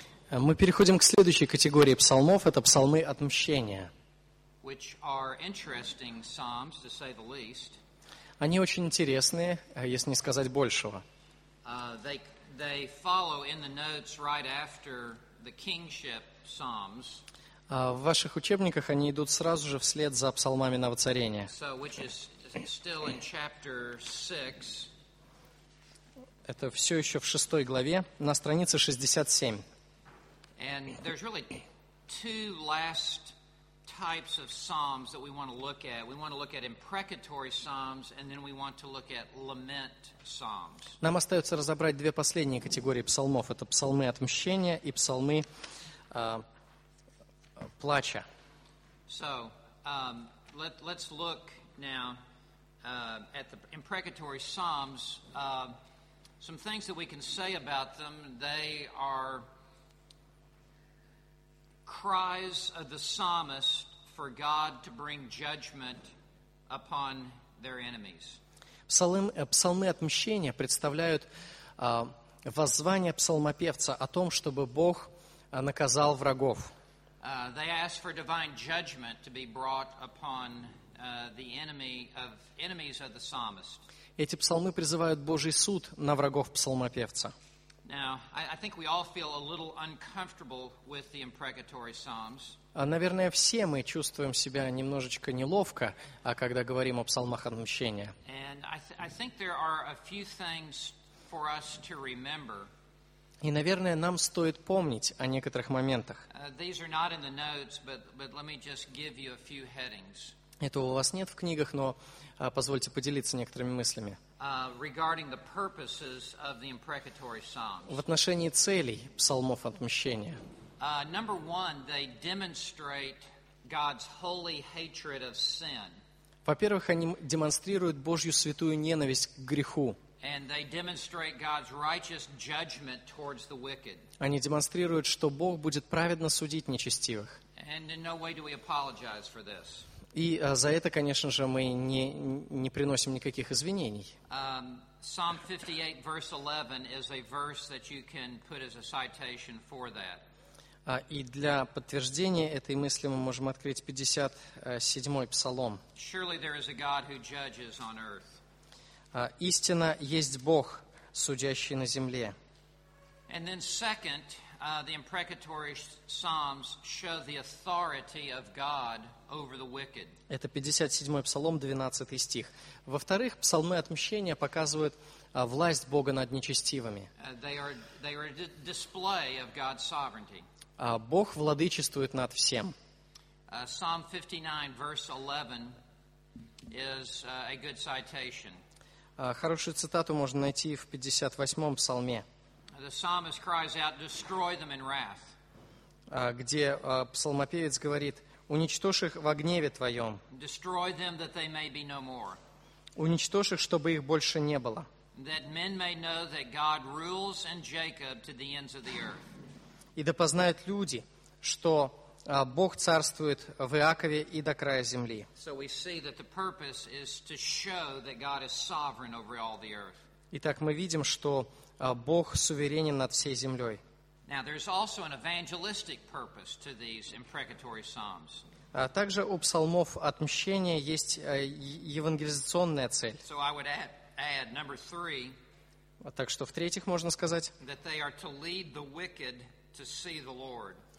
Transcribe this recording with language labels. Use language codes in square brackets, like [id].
[ru] Мы переходим к следующей категории псалмов. Это псалмы отмщения. [en] Which are interesting psalms, to say the least. [ru] Они очень интересные, если не сказать большего. [en] They follow in the notes right after the kingship psalms. [ru] В ваших учебниках они идут сразу же вслед за псалмами новоцарения. [en] So, which is still in chapter 6. [ru] Это все еще в шестой главе, на странице 67. [en] And there's really two last types of psalms that we want to look at. We want to look at imprecatory psalms, and then we want to look at lament psalms. [ru] Нам остается разобрать две последние категории псалмов. Это псалмы отмщения и псалмы плача. [en] So, let's look now at the imprecatory psalms. Some things that we can say about them, they are cries of the psalmist for God to bring judgment upon their enemies. [ru] Псалмы отмщения представляют воззвание псалмопевца о том, чтобы Бог наказал врагов. [en] They ask for divine judgment to be brought upon the enemies of the psalmist. [ru] Эти псалмы призывают Божий суд на врагов псалмопевца. [en] Now, I think we all feel a little uncomfortable with the imprecatory psalms. [ru] Наверное, все мы чувствуем себя немножечко неловко, когда говорим о псалмах отмщения. [en] And I think there are a few things for us to remember. [ru] И, наверное, нам стоит помнить о некоторых моментах. [en] These are not in the notes, but let me just give you a few headings. [ru] Этого у вас нет в книгах, но позвольте поделиться некоторыми мыслями. [en] Regarding the purposes of the imprecatory psalms. [ru] В отношении целей псалмов отмщения. [en] Number one, they demonstrate God's holy hatred of sin. [ru] Во-первых, они демонстрируют Божью святую ненависть к греху. [en] And they demonstrate God's righteous judgment towards the wicked. [ru] Они демонстрируют, что Бог будет праведно судить нечестивых. [en] And in no way do we apologize for this. [ru] И за это, конечно же, мы не приносим никаких извинений. [en] Psalm 58, verse 11 is a verse that you can put as a citation for that. [ru] И для подтверждения этой мысли мы можем открыть 57-й псалом. [en] Surely there is a God who judges on earth. [ru] Истинно есть Бог, судящий на земле. [en] And then second, the imprecatory psalms show the authority of God over the wicked. [ru] Это 57-й псалом, 12-й стих. Во-вторых, псалмы отмщения показывают власть Бога над нечестивыми. [en] They are a display of God's sovereignty. [ru] Бог владычествует над всем. [en] Psalm 59, verse 11 is a good citation. [ru] Хорошую цитату можно найти в 58-м псалме. [en] The psalmist cries out, "Destroy them in wrath." [ru] Где псалмопевец говорит, уничтожь их во гневе твоем. [en] Destroy them that they may be no more. [ru] Уничтожь их, чтобы их больше не было. [en] That men may know that God rules in Jacob to the ends of the earth. [ru] И да познают люди, что Бог царствует в Иакове и до края земли. [en] So we see that the purpose is to show that God is sovereign over all the earth. [ru] Итак, мы видим, что Бог суверенен над всей землей. [en] Now, there's also an evangelistic purpose to these imprecatory psalms. [ru] Также у псалмов отмщения есть евангелизационная цель. [en] So I would add number three. [ru] Так что в-третьих можно сказать, [en] that they are to lead the wicked to see the Lord.